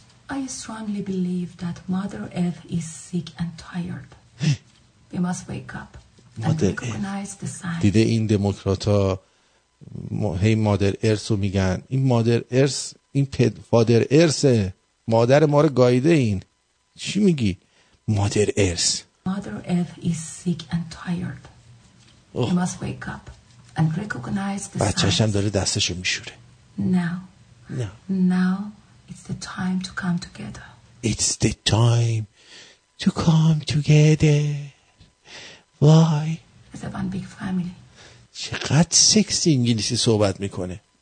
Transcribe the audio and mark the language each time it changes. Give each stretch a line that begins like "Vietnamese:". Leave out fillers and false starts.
English: I strongly believe that Mother Earth is sick and tired. We must wake up and recognize the signs.
Persian: دیده این دموکرات ها هی مادر ارث رو میگن. این مادر ارث، این فادر ارثه. مادر ما رو گایده این. چی میگی؟ مادر ارث.
English: Mother Earth is sick and tired. You must wake up and recognize the signs.
Persian: بچه‌ش هم داره دستشو میشوره.
English: Now it's the time to come together. It's the time to come together. Why? As a one big family.
Persian: چقدر سکسی انگلیسی صحبت میکنه.